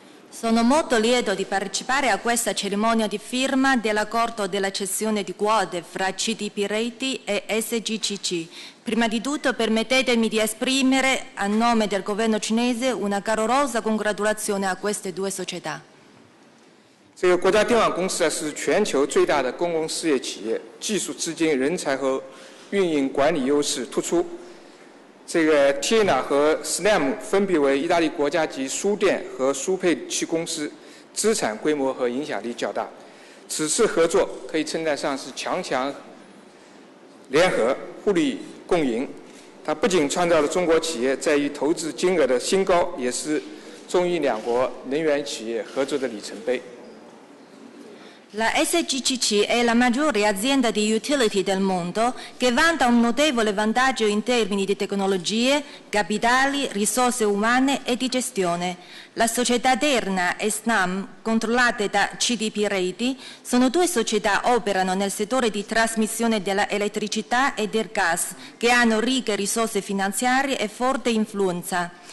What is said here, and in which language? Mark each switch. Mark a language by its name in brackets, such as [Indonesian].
[Italian] Sono molto lieto di partecipare a questa cerimonia di firma dell'accordo della cessione di quote fra CDP Reti e SGCC. Prima di tutto permettetemi di esprimere a nome del governo cinese una calorosa congratulazione a queste due società. Questa è la più grande azienda di telecomunicazioni, tecnologia, [Chinese] 这个 TINA 和SNAM分别为意大利国家级输电和输配器公司资产规模和影响力较大。此次合作可以称得上是强强联合、互利共赢。它不仅创造了中国企业在于投资金额的新高，也是中意两国能源企业合作的里程碑。 [Italian] La SGCC è la maggiore azienda di utility del mondo che vanta un notevole vantaggio in termini di tecnologie, capitali, risorse umane e di gestione. La società Terna e SNAM, controllate da CDP Reti, sono due società che operano nel settore di trasmissione dell'elettricità e del gas, che hanno ricche risorse finanziarie e forte influenza.